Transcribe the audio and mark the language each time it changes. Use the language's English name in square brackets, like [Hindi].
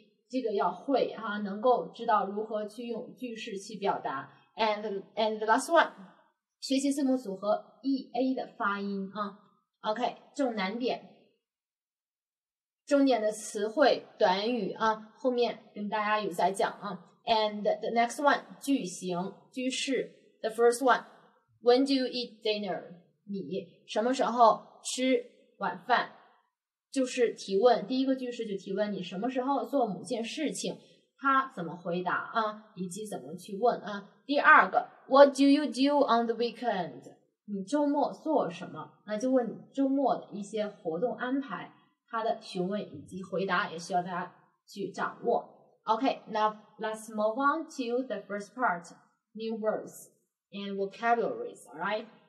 [Chinese] 这个要会哈、啊，能够知道如何去用句式去表达。 [English] And the last one, [Chinese] 学习字母组合 EA 的发音啊。 OK, 重难点。重点的词汇短语啊，后面跟大家有在讲啊。 [English] And the next one, [Chinese] 句型句式。 [English] The first one, when do you eat dinner? [Chinese] 你什么时候吃晚饭？就是提问，第一个句式就提问你什么时候做某件事情，他怎么回答啊，以及怎么去问啊。第二个 [English] ,What do you do on the weekend? [Chinese] 你周末做什么，那就问你周末的一些活动安排，他的询问以及回答也需要大家去掌握。 [English] Okay, now let's move on to the first part, new words and vocabularies, alright?